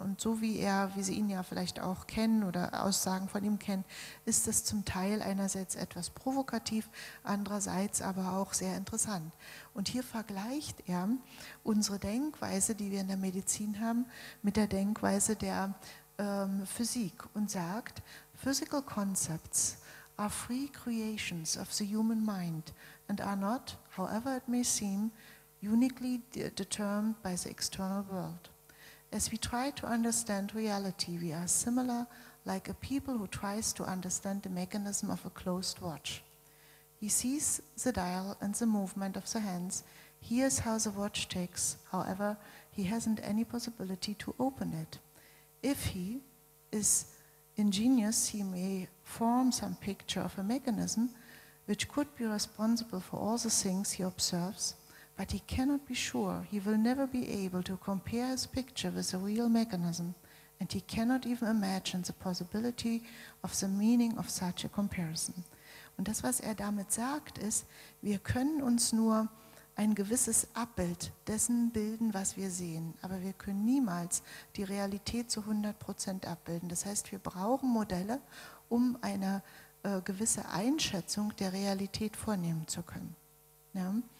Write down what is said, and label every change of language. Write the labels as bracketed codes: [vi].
[de] Und so wie er, wie Sie ihn ja vielleicht auch kennen oder Aussagen von ihm kennen, ist das zum Teil einerseits etwas provokativ, andererseits aber auch sehr interessant. Und hier vergleicht er unsere Denkweise, die wir in der Medizin haben, mit der Denkweise der Physik und sagt, [en] Physical concepts are free creations of the human mind and are not, however it may seem, uniquely determined by the external world. As we try to understand reality, we are similar like a people who tries to understand the mechanism of a closed watch. He sees the dial and the movement of the hands, hears how the watch ticks, however, he hasn't any possibility to open it. If he is ingenious, he may form some picture of a mechanism which could be responsible for all the things he observes, but he cannot be sure. He will never be able to compare his picture with a real mechanism, and he cannot even imagine the possibility of the meaning of such a comparison. [de] Und das, was er damit sagt, ist, wir können uns nur ein gewisses Abbild dessen bilden, was wir sehen. Aber wir können niemals die Realität zu 100% abbilden. Das heißt, wir brauchen Modelle, um eine gewisse Einschätzung der Realität vornehmen zu können. Ja?